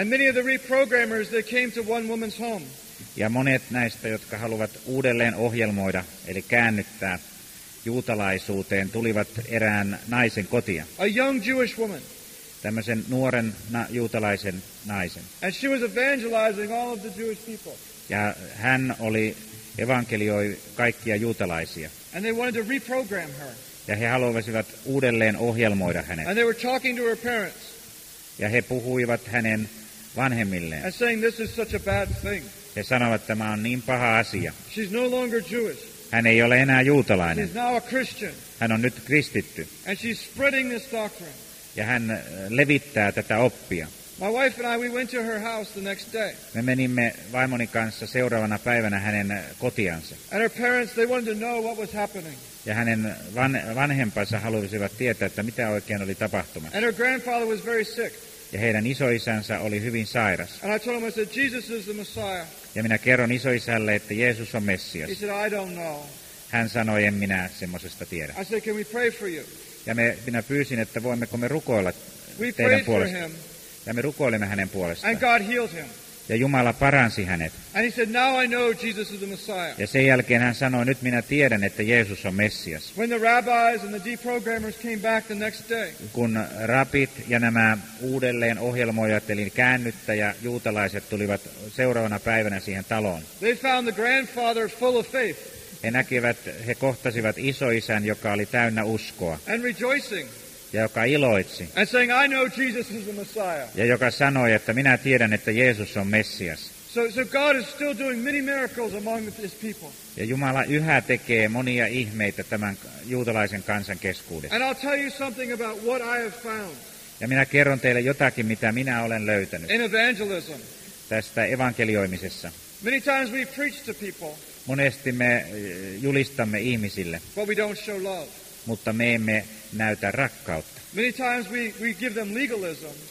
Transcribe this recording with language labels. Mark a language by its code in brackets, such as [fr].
[en] And many of the reprogrammers they came to one woman's home. [fi] Ja monet näistä, jotka haluavat uudelleen ohjelmoida, eli käännyttää juutalaisuuteen, tulivat erään naisen kotia. [en] A young Jewish woman. [fi] Tämmöisen nuoren juutalaisen naisen. [en] And she was evangelizing all of the Jewish people. [fi] Ja hän oli evankelioi kaikkia juutalaisia. [en] And they wanted to reprogram her. [fi] Ja he haluaisivat uudelleen ohjelmoida hänet. [en] And they were talking to her parents. [fi] Ja he puhuivat hänen vanhemmilleen. [en] And saying this is such a bad thing. [fi] He sanoivat, että tämä on niin paha asia. [en] She's no longer Jewish. [fi] Hän ei ole enää juutalainen. [en] She's now a Christian. [fi] Hän on nyt kristitty. [en] And she's spreading this doctrine. [fi] Ja hän levittää tätä oppia. [en] My wife and I, we went to her house the next day. [fi] Me menimme vaimoni kanssa seuraavana päivänä hänen kotiansa. [en] And her parents, they wanted to know what was happening. [fi] Ja hänen vanhempansa halusivat tietää, että mitä oikein oli tapahtumassa. [en] And her grandfather was very sick. [fi] Ja heidän isoisänsä oli hyvin sairas. [en] And I told him, I said, Jesus is the Messiah. [fi] Ja minä kerron isoisälle, että Jeesus on Messias. [en] He said, I don't know. [fi] Hän sanoi, en minä semmoisesta tiedä. [en] I said, can we pray for you? [fi] Ja minä pyysin, että voimmeko me rukoilla [en] we [fi] teidän puolesta. Ja me rukoilemme hänen puolestaan. [en] And God healed him. [fi] Ja Jumala paransi hänet. [en] And he said, "Now I know Jesus is the Messiah." [fi] Ja sen jälkeen hän sanoi, "Nyt minä tiedän, että Jeesus on Messias." [en] When the rabbis and the deprogrammers came back the next day. [fi] Kun rabit ja nämä uudelleen ohjelmoijat, eli käännyttäjä juutalaiset tulivat seuraavana päivänä siihen taloon. [en] They found the grandfather full of faith. [fi] He näkivät, he kohtasivat isoisän, joka oli täynnä uskoa. [en] And rejoicing. [fi] Ja joka iloitsi. [en] And saying, "I know Jesus is the Messiah." [fi] Ja joka sanoi, että minä tiedän, että Jeesus on Messias. [en] So God is still doing many miracles among his people. [fi] Ja Jumala yhä tekee monia ihmeitä tämän juutalaisen kansan keskuudessa. [en] And I'll tell you something about what I have found. [fi] Ja minä kerron teille jotakin, mitä minä olen löytänyt. [en] In evangelism. [fi] Tästä evankelioimisessa. [en] Many times we preach to people. [fi] Monesti me julistamme ihmisille. [en] But we don't show love. [fi] Mutta me emme näytä rakkautta. [en] Many times we give them legalism.